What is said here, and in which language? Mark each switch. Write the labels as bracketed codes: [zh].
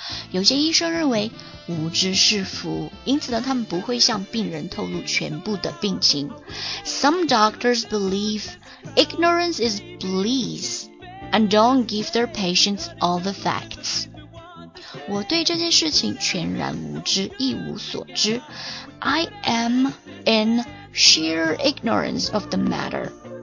[zh] 有些医生认为无知是福，因此呢，他们不会向病人透露全部的病情。 [en] Some doctors believe ignorance is bliss and don't give their patients all the facts. [zh] 我对这件事情全然无知，一无所知。 [en] I am in sheer ignorance of the matter.